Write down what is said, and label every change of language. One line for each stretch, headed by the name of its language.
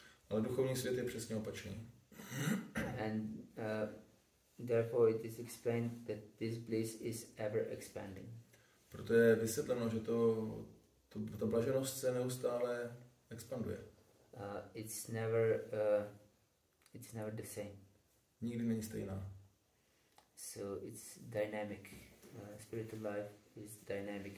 Czech: Ale duchovní svět je přesně opačný.
English: And therefore it is explained that this bliss is ever expanding.
Czech: Proto je vysvětleno, že ta blaženost se neustále expanduje.
English: It's never the same.
Czech: Nikdy není stejná.
English: So it's dynamic. Spiritual life is dynamic.